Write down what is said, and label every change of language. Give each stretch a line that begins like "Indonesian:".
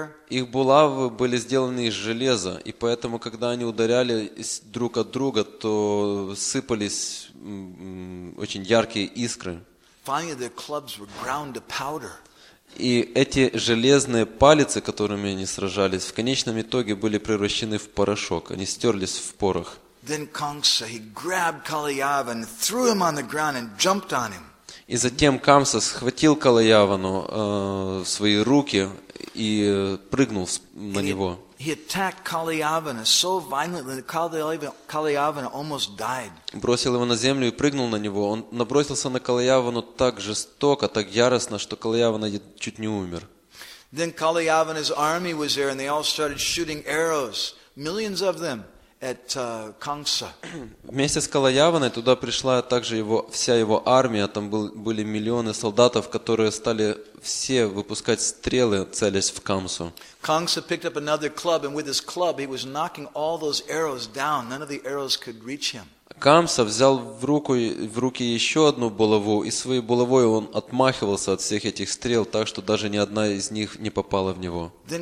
Russian: Их булавы были сделаны из железа, и поэтому, когда они ударяли друг от друга, то сыпались очень яркие искры.
English: Finally, their clubs were ground to powder.
Russian: И эти железные палицы, которыми они сражались, в конечном итоге были превращены в порошок. Они стерлись в порох.
English: Then Kamsa, he grabbed Kalayava and threw him on the ground and jumped on him.
Russian: И затем Камса схватил Калаявану в свои руки и прыгнул на него.
English: He attacked Kalayavana so violently that Kalayavana almost died.
Russian: Бросил его на землю и прыгнул на него. Он набросился на Калаявану так жестоко, так яростно, что Калаявана чуть не умер.
English: Then Kalayavana's army was there and they all started shooting arrows, millions of them, at Kamsa.
Russian: Вместе с Калаяваной туда пришла также его, вся его армия, там были миллионы солдатов, которые стали все выпускать стрелы, целясь в Камсу.
English: Kamsa picked up another club and with his club he was knocking all those arrows down. None of the arrows could reach him.
Russian: Камса взял в руки еще одну булаву, и своей булавой он отмахивался от всех этих стрел, так что даже ни одна из них не попала в него.